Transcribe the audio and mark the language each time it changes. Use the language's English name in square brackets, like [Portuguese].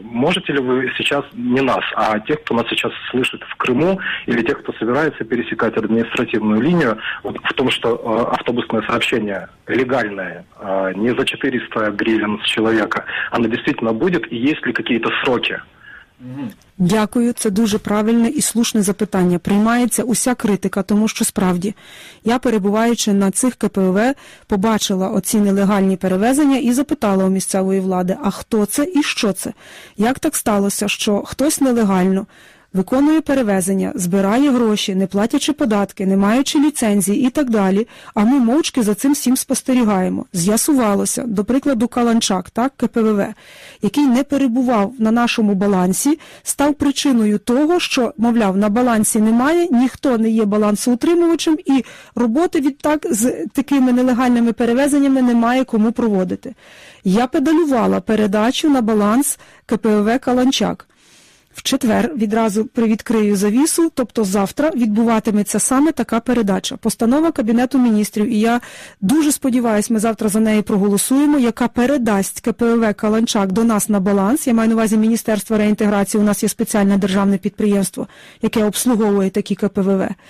[Russian] Можете ли вы сейчас, не нас, а тех, кто нас сейчас слышит в Крыму, или тех, кто собирается пересекать административную линию, вот в том, что автобусное сообщение легальное, не за 400 гривен с человека, оно действительно будет, и есть ли какие-то сроки? [Ukrainian] Дякую, це дуже правильне і слушне запитання. Приймається уся критика, тому що справді, я перебуваючи на цих КПВ, побачила оці нелегальні перевезення і запитала у місцевої влади, а хто це і що це? Як так сталося, що хтось нелегально виконує перевезення, збирає гроші, не платячи податки, не маючи ліцензії і так далі, а ми мовчки за цим всім спостерігаємо. З'ясувалося, до прикладу, Каланчак, так, КПВВ, який не перебував на нашому балансі, став причиною того, що, мовляв, на балансі немає, ніхто не є балансоутримувачем і роботи відтак з такими нелегальними перевезеннями немає кому проводити. Я педалювала передачу на баланс КПВВ «Каланчак». В четвер відразу привідкрию завісу, тобто завтра відбуватиметься саме така передача. Постанова Кабінету міністрів, і я дуже сподіваюся, ми завтра за неї проголосуємо, яка передасть КПВВ «Каланчак» до нас на баланс. Я маю на увазі Міністерство реінтеграції, у нас є спеціальне державне підприємство, яке обслуговує такі КПВВ.